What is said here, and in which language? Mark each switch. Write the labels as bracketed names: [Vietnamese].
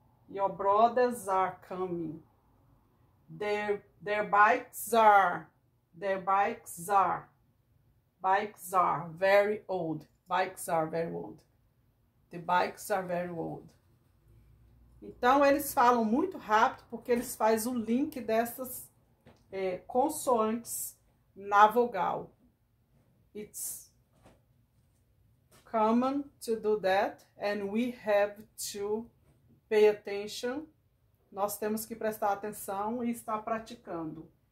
[English] Your brothers are coming. Their bikes are very old. Bikes are very old. The bikes are very old. [Portuguese] Então, eles falam muito rápido porque eles fazem o link dessas consoantes na vogal. [English] It's common to do that and we have to pay attention. [Portuguese] Nós temos que prestar atenção e estar praticando.